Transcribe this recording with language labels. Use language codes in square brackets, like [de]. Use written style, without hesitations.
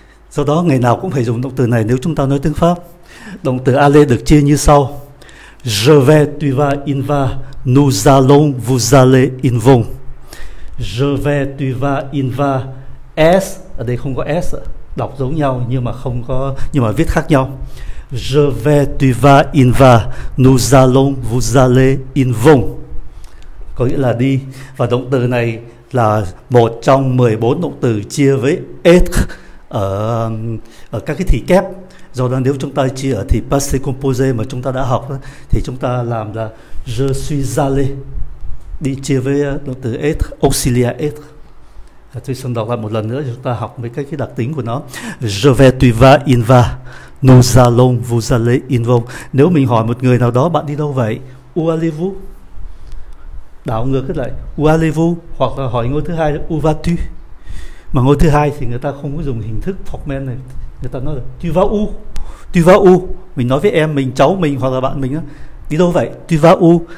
[vi] Do đó ngày nào cũng phải dùng động từ này nếu chúng ta nói tiếng Pháp. Động từ aller được chia như sau: [fr] je vais, tu vas, il va, nous allons, vous allez, ils vont. Je vais, tu vas, il va. [vi] S ở đây không có S, đọc giống nhau nhưng mà không có, nhưng mà viết khác nhau. [fr] Je vais, tu vas, il va, nous allons, vous allez, ils vont. [vi] Có nghĩa là đi. Và động từ này là một trong 14 động từ chia với être ở các cái thì kép. Do đó nếu chúng ta chia ở thì passé composé mà chúng ta đã học thì chúng ta làm là [fr] je suis allé, [vi] đi chia với động từ être, auxiliaire être. Tôi xin đọc lại một lần nữa, chúng ta học mấy cái đặc tính của nó. [fr] Je vais, tu vas, il va, nous allons, vous allez, ils vont. [vi] Nếu mình hỏi một người nào đó, bạn đi đâu vậy? [fr] Où allez-vous? [vi] Đảo ngược lại, où allez-vous? Hoặc là hỏi ngôi thứ hai, où vas-tu? Mà ngôi thứ hai thì người ta không có dùng hình thức formal này. Người ta nói là tu vas où? [fr] Tu vas où? [vi] Mình nói với em mình, cháu mình hoặc là bạn mình á, đi đâu vậy? Tu vas où?